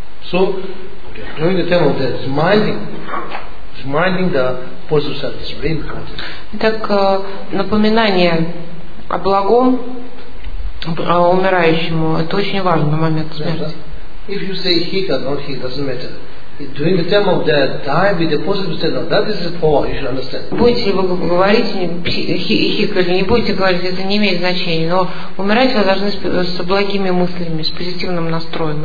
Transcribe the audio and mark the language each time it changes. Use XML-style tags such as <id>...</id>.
<en>So, knowing the term of that, reminding the positive self is really important.</en> <ru>Итак, напоминание о благом умирающему – это очень важный момент смерти.</ru> <en>If you say hit or not hit, doesn't matter. During the time of that, die with the positive state. Now, that is the power, you should understand.</en> <ru>Будете ли вы говорить, хикали, не будете говорить, это не имеет значения. Но умирать вы должны с благими мыслями, с позитивным настроем.</ru>